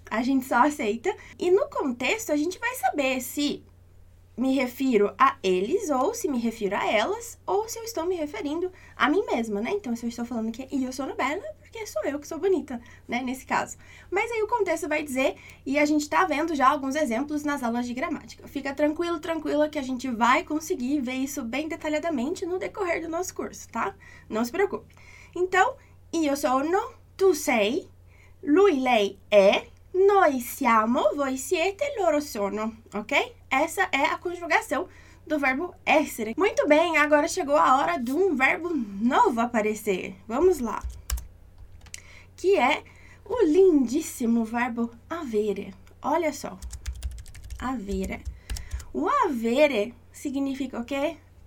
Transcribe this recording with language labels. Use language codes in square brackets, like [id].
[pt] A gente só aceita. E no contexto, a gente vai saber se me refiro a eles, ou se me refiro a elas, ou se eu estou me referindo a mim mesma, né? Então, se eu estou falando que [it] io sono bella, [pt] porque sou eu que sou bonita, né? Nesse caso. Mas aí o contexto vai dizer, e a gente está vendo já alguns exemplos nas aulas de gramática. Fica tranquilo, tranquila, que a gente vai conseguir ver isso bem detalhadamente no decorrer do nosso curso, tá? Não se preocupe. [it] Então, io sono, tu sei, lui, lei é, noi siamo, voi siete, loro sono, ok? [pt] Essa é a conjugação do verbo essere. Muito bem, agora chegou a hora de um verbo novo aparecer. Vamos lá. Que é o lindíssimo verbo avere. Olha só. Avere. O avere significa o quê?